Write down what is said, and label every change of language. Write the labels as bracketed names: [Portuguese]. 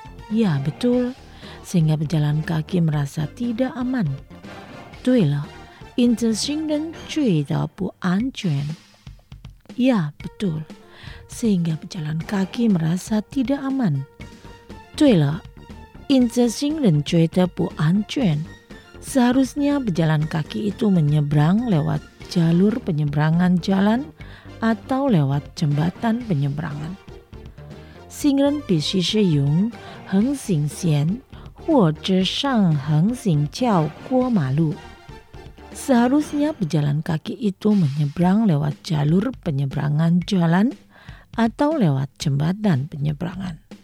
[Indonesian] Ya, betul, sehingga pejalan kaki merasa tidak aman。 [Chinese] 对了，因此行人觉得不安全。 [Indonesian] Ya, betul. Sehingga pejalan kaki merasa tidak aman。 [Chinese] 对了，因此行人觉得不安全。 [Indonesian] Seharusnya pejalan kaki itu menyeberang lewat jalur penyeberangan jalan atau lewat jembatan penyeberangan。 [Chinese] 行人必须使用横行线或者上横行桥过马路。 [Indonesian] Seharusnya pejalan kaki itu menyeberang lewat jalur penyeberangan jalanatau lewat jembatan penyeberangan。